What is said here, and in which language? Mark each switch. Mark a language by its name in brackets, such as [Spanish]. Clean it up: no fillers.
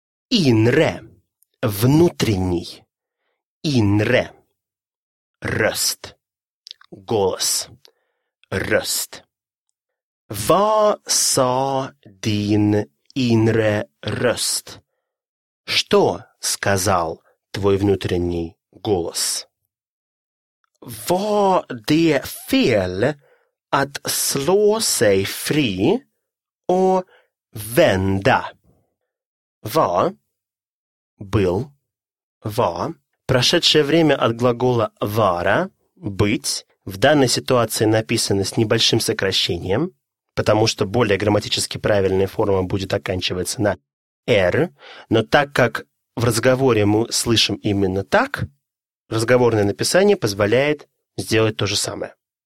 [Swedish] Инре, внутренний. Инре. Röst. Голос. Röst. Vad sa din inre röst? [Russian] Что сказал твой внутренний голос? [Swedish] Var det fel att slå sig fri och vända? Var. Был. Var. [Russian] Прошедшее время от глагола «вара» – «быть» в данной ситуации написано с небольшим сокращением, потому что более грамматически правильная форма будет оканчиваться на «р», но так как в разговоре мы слышим именно так, разговорное написание позволяет сделать то же самое.